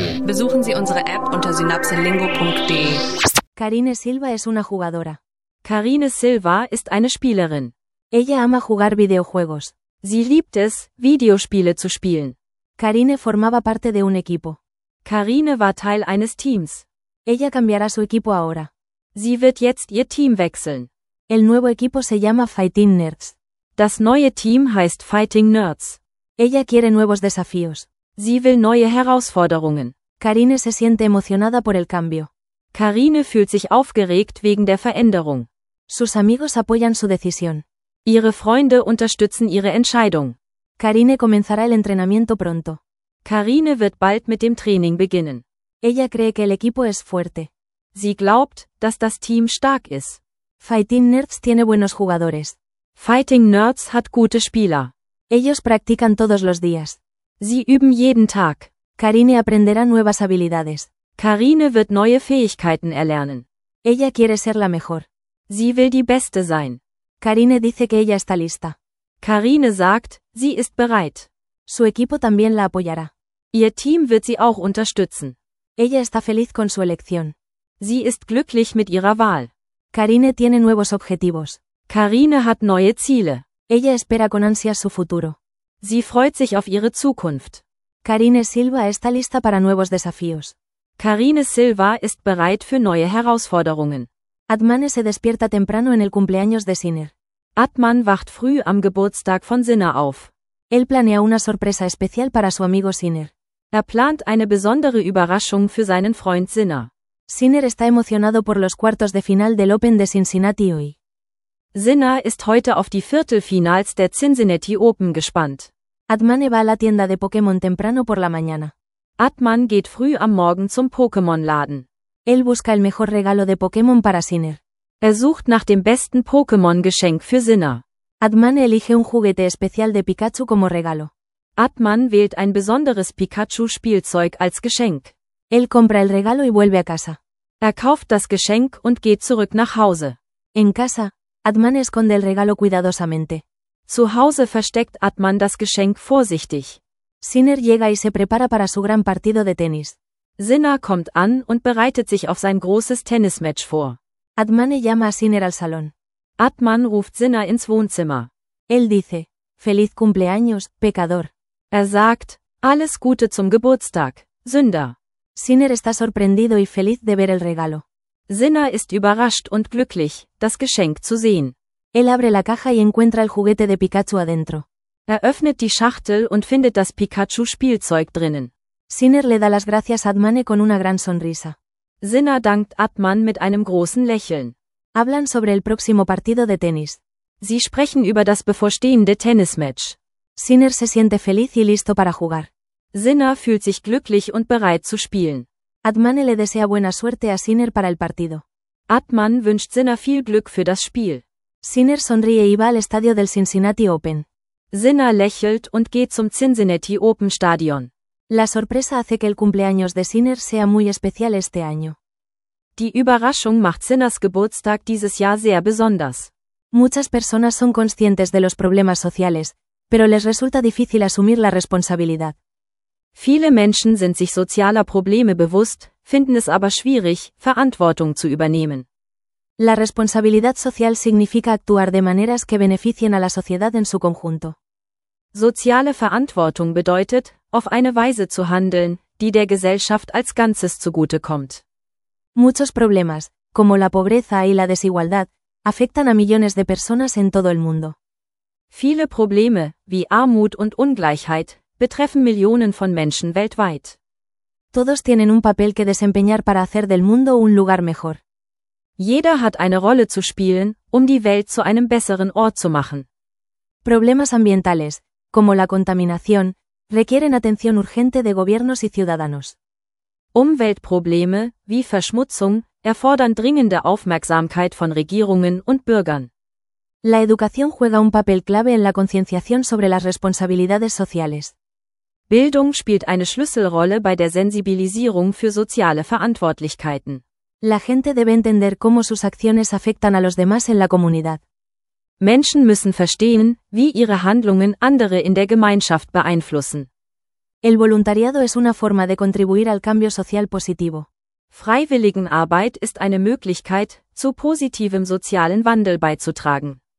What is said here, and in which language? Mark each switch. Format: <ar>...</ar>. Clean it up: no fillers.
<de>Besuchen Sie unsere App unter synapselingo.de.</de> <es>Karine Silva es una jugadora.</es> <de>Karine Silva ist eine Spielerin.</de> <es>Ella ama jugar videojuegos.</es> <de>Sie liebt es, Videospiele zu spielen.</de> <es>Karine formaba parte de un equipo.</es> <de>Karine war Teil eines Teams.</de> <es>Ella cambiará su equipo ahora.</es> <de>Sie wird jetzt ihr Team wechseln.</de> <es>El nuevo equipo se llama Fighting Nerds.</es> <de>Das neue Team heißt Fighting Nerds.</de> <es>Ella quiere nuevos desafíos.</es> <de>Sie will neue Herausforderungen.</de> <es>Karine se siente emocionada por el cambio.</es> <de>Karine fühlt sich aufgeregt wegen der Veränderung.</de> <es>Sus amigos apoyan su decisión.</es> <de>Ihre Freunde unterstützen ihre Entscheidung.</de> <es>Karine comenzará el entrenamiento pronto.</es> <de>Karine wird bald mit dem Training beginnen.</de> <es>Ella cree que el equipo es fuerte.</es> <de>Sie glaubt, dass das Team stark ist.</de> <es>Fighting Nerds tiene buenos jugadores.</es> <de>Fighting Nerds hat gute Spieler.</de> <es>Ellos practican todos los días.</es> <de>Sie üben jeden Tag.</de> <es>Karine aprenderá nuevas habilidades.</es> <de>Karine wird neue Fähigkeiten erlernen.</de> <es>Ella quiere ser la mejor.</es> <de>Sie will die Beste sein.</de> <es>Karine dice que ella está lista.</es> <de>Karine sagt, sie ist bereit.</de> <es>Su equipo también la apoyará.</es> <de>Ihr Team wird sie auch unterstützen.</de> <es>Ella está feliz con su elección.</es> <de>Sie ist glücklich mit ihrer Wahl.</de> <es>Karine tiene nuevos objetivos.</es> <de>Karine hat neue Ziele.</de> <es>Ella espera con ansias su futuro.</es> <de>Sie freut sich auf ihre Zukunft.</de> <es>Karine Silva está lista para nuevos desafíos.</es> <de>Karine Silva ist bereit für neue Herausforderungen.</de> <es>Admane se despierta temprano en el cumpleaños de Sinner.</es> <de>Adman wacht früh am Geburtstag von Sinner auf.</de> <es>Él planea una sorpresa especial para su amigo Sinner.</es> <de>Er plant eine besondere Überraschung für seinen Freund Sinner.</de> <es>Sinner está emocionado por los cuartos de final del Open de Cincinnati hoy.</es> <de>Sinner ist heute auf die Viertelfinals der Cincinnati Open gespannt.</de> <es>Admane va a la tienda de Pokémon temprano por la mañana.</es> <de>Adman geht früh am Morgen zum Pokémon-Laden.</de> <es>Él busca el mejor regalo de Pokémon para Sinner.</es> <de>Er sucht nach dem besten Pokémon-Geschenk für Sinner.</de> <es>Admane elige un juguete especial de Pikachu como regalo.</es> <de>Adman wählt ein besonderes Pikachu-Spielzeug als Geschenk.</de> <es>Él compra el regalo y vuelve a casa.</es> <de>Er kauft das Geschenk und geht zurück nach Hause.</de> <es>En casa, Admane esconde el regalo cuidadosamente.</es> <de>Zu Hause versteckt Adman das Geschenk vorsichtig.</de> <es>Sinner llega y se prepara para su gran partido de tenis.</es> <de>Sinner kommt an und bereitet sich auf sein großes Tennismatch vor.</de> <es>Admane llama a Sinner al salón.</es> <de>Adman ruft Sinner ins Wohnzimmer.</de> <es>Él dice, feliz cumpleaños, pecador.</es> <de>Er sagt, alles Gute zum Geburtstag, Sünder.</de> <es>Sinner está sorprendido y feliz de ver el regalo.</es> <de>Sinner ist überrascht und glücklich, das Geschenk zu sehen.</de> <es>Él abre la caja y encuentra el juguete de Pikachu adentro.</es> <de>Er öffnet die Schachtel und findet das Pikachu-Spielzeug drinnen.</de> <es>Sinner le da las gracias a Admane con una gran sonrisa.</es> <de>Sinner dankt Adman mit einem großen Lächeln.</de> <es>Hablan sobre el próximo partido de tenis.</es> <de>Sie sprechen über das bevorstehende Tennismatch.</de> <es>Sinner se siente feliz y listo para jugar.</es> <de>Sinner fühlt sich glücklich und bereit zu spielen.</de> <es>Admane le desea buena suerte a Sinner para el partido.</es> <de>Adman wünscht Sinner viel Glück für das Spiel.</de> <es>Sinner sonríe y va al estadio del Cincinnati Open.</es> <de>Sinner lächelt und geht zum Cincinnati Open Stadion.</de> <es>La sorpresa hace que el cumpleaños de Sinner sea muy especial este año.</es> <de>Die Überraschung macht Sinners Geburtstag dieses Jahr sehr besonders.</de> <es>Muchas personas son conscientes de los problemas sociales, pero les resulta difícil asumir la responsabilidad.</es> <de>Viele Menschen sind sich sozialer Probleme bewusst, finden es aber schwierig, Verantwortung zu übernehmen.</de> <es>La responsabilidad social significa actuar de maneras que beneficien a la sociedad en su conjunto.</es> <de>Soziale Verantwortung bedeutet, auf eine Weise zu handeln, die der Gesellschaft als Ganzes zugute kommt.</de> <es>Muchos problemas, como la pobreza y la desigualdad, afectan a millones de personas en todo el mundo.</es> <de>Viele Probleme, wie Armut und Ungleichheit, betreffen Millionen von Menschen weltweit.</de> <es>Todos tienen un papel que desempeñar para hacer del mundo un lugar mejor.</es> <de>Jeder hat eine Rolle zu spielen, um die Welt zu einem besseren Ort zu machen.</de> <es>Problemas ambientales, como la contaminación, requieren atención urgente de gobiernos y ciudadanos.</es> <de>Umweltprobleme, wie Verschmutzung, erfordern dringende Aufmerksamkeit von Regierungen und Bürgern.</de> <es>La educación juega un papel clave en la concienciación sobre las responsabilidades sociales.</es> <de>Bildung spielt eine Schlüsselrolle bei der Sensibilisierung für soziale Verantwortlichkeiten.</de> <es>La gente debe entender cómo sus acciones afectan a los demás en la comunidad.</es> <de>Menschen müssen verstehen, wie ihre Handlungen andere in der Gemeinschaft beeinflussen.</de> <es>El voluntariado es una forma de contribuir al cambio social positivo.</es> <de>Freiwilligenarbeit ist eine Möglichkeit, zu positivem sozialen Wandel beizutragen.</de>